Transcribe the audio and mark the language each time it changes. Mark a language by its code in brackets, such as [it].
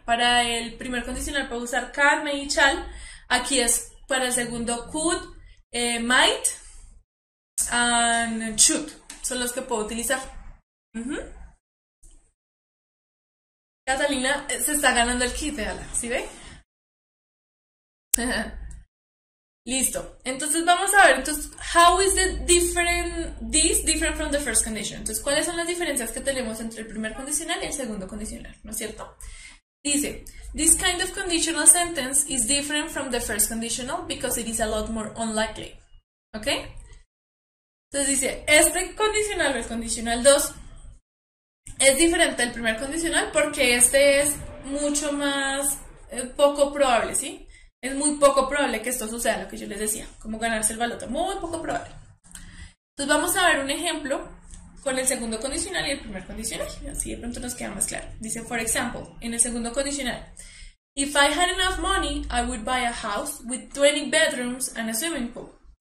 [es] Para el primer condicional puedo usar can, may y shall. Aquí es para el segundo could, might and should. Son los que puedo utilizar. Catalina se está ganando el kit, véala, ¿sí ve? Listo. Entonces vamos a ver. Entonces, [en] how is the different this different from the first condition? [es] Entonces, ¿cuáles son las diferencias que tenemos entre el primer condicional y el segundo condicional? ¿No es cierto? Dice, [en] this kind of conditional sentence is different from the first conditional because it is a lot more unlikely. [es] ¿Ok? Entonces dice, este condicional, el condicional 2, es diferente al primer condicional porque este es mucho más poco probable, ¿sí? Es muy poco probable que esto suceda, lo que yo les decía, como ganarse el baloto. Muy poco probable. Entonces vamos a ver un ejemplo con el segundo condicional y el primer condicional. Así de pronto nos queda más claro. Dice, por ejemplo, en el segundo condicional, [en] If I had enough money, I would buy a house with 20 bedrooms and a swimming pool.